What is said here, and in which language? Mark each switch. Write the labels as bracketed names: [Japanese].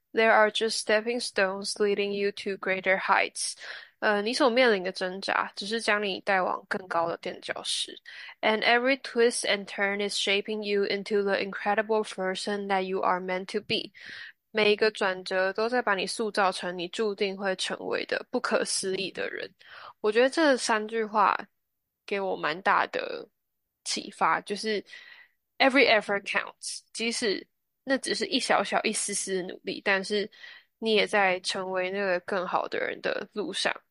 [English] There are just stepping stones leading you to greater heights. [Chinese] 你所面临的挣扎只是将你带往更高的垫脚石。 [English] And every twist and turn is shaping you into the incredible person that you are meant to be. [Chinese] 每一个转折都在把你塑造成你注定会成为的不可思议的人。我觉得这三句话给我蛮大的启发，就是 [English] every effort counts， [Chinese] 即使那只是一小小、一丝丝的努力，但是你也在成为那个更好的人的路上。